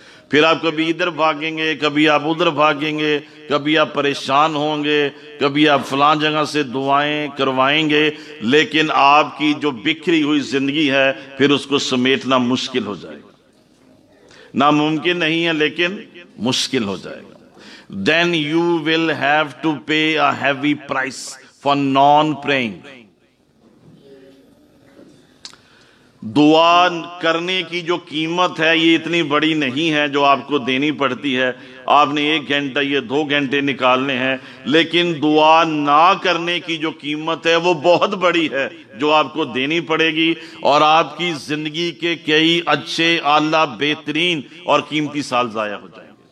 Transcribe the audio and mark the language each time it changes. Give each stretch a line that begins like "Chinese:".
Hindi: फिर आप कभी इधर भागेंगे, कभी आप उधर भागेंगे, कभी आप परेशान होंगे, कभी आप फलां जगह से दुआएं करवाएंगे, लेकिन आपकी जो बिखरी हुई जिंदगी है फिर उसको समेटना मुश्किल हो जाएगा. नामुमकिन नहीं है लेकिन मुश्किल हो जाएगा.
English: Then you will have to pay a heavy price for non-praying.
Hindi: दुआ करने की जो कीमत है ये इतनी बड़ी नहीं है जो आपको देनी पड़ती है. आपने 1 घंटा या 2 घंटे निकालने हैं, लेकिन दुआ ना करने की जो कीमत है वो बहुत बड़ी है जो आपको देनी पड़ेगी, और आपकी जिंदगी के कई अच्छे, आला, बेहतरीन और कीमती साल जाया हो जाएंगे.